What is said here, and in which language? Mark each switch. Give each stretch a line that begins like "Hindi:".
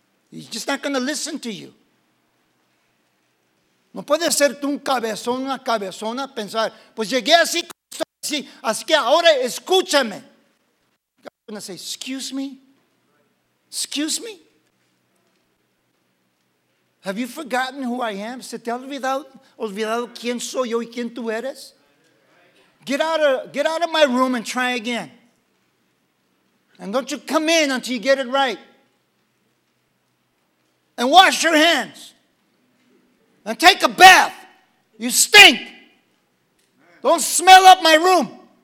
English: He's just not going to listen to you.
Spanish: No puedes ser tú un cabezón, una cabezona, pensar, pues llegué así como estoy, así, así que ahora escúchame.
English: Going to say, excuse me? Excuse me? Have you forgotten who I am?
Spanish: ¿Se te ha olvidado quién soy yo y quién tú eres?
English: Get out of my room and try again. And don't you come in until you get it right. And wash your hands. And take a bath. You stink. Don't smell up my room.